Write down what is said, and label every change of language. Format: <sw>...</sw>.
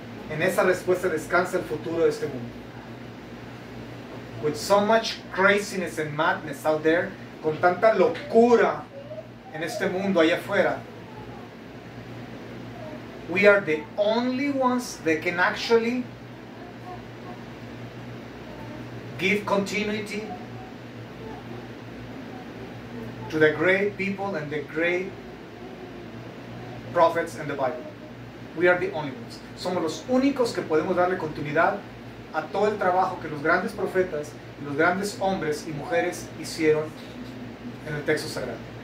<es>En esa respuesta descansa el futuro de este mundo.</es> <en>With so much craziness and madness out there,</en> <es>con tanta locura en este mundo allá afuera,</es> <en>we are the only ones that can actually give continuity to the great people and the great prophets and the Bible. We are the only ones.</en> <es>Somos los únicos que podemos darle continuidad a todo el trabajo que los grandes profetas y los grandes hombres y mujeres hicieron en el texto sagrado.</es>